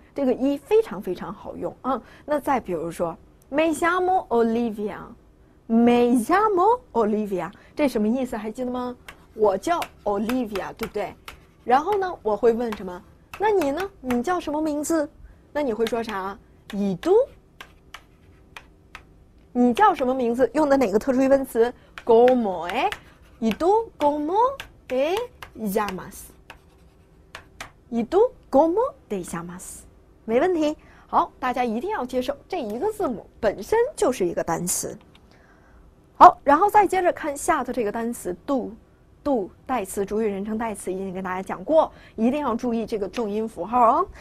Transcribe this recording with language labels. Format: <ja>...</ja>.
<zh>这个一非常非常好用啊、嗯。那再比如说 ，</zh> <es>Me llamo Olivia，Me llamo Olivia，</es> <zh>这什么意思？还记得吗？我叫 Olivia， 对不对？然后呢，我会问什么？那你呢？你叫什么名字？那你会说啥 ？</zh> <es>Y tú，</es> <zh>你叫什么名字？用的哪个特殊疑问词</zh> <es>？¿Cómo es？Y tú cómo te llamas？ Y tú cómo te llamas？</es> <zh>没问题。好，大家一定要接受这一个字母本身就是一个单词。好，然后再接着看下头这个单词 do， do 代词，主语人称代词已经跟大家讲过，一定要注意这个重音符号哦。</zh>